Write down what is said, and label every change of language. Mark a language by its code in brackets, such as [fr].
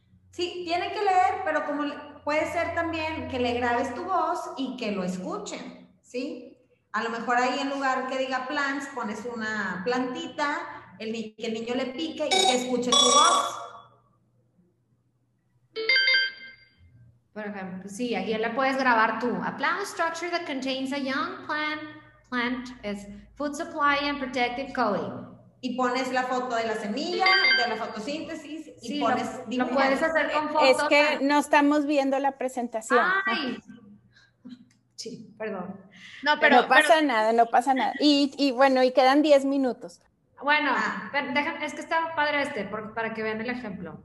[es] Sí, tiene que leer, pero como puede ser también que le grabes tu voz y que lo escuchen, ¿sí? A lo mejor ahí en lugar que diga plants, pones una plantita, que el niño le pique y que escuche tu voz. Por ejemplo, sí, aquí le puedes grabar tú. [en] A plant structure that contains a young plant is food supply and protective coating. [es] Y pones la foto de la semilla, de la fotosíntesis, y sí, pones... Lo puedes hacer con fotos. Es que no estamos viendo la presentación. ¡Ay! Sí, perdón. No, pero no pasa nada. Y bueno, y quedan 10 minutos. Bueno, pero es que está padre para que vean el ejemplo.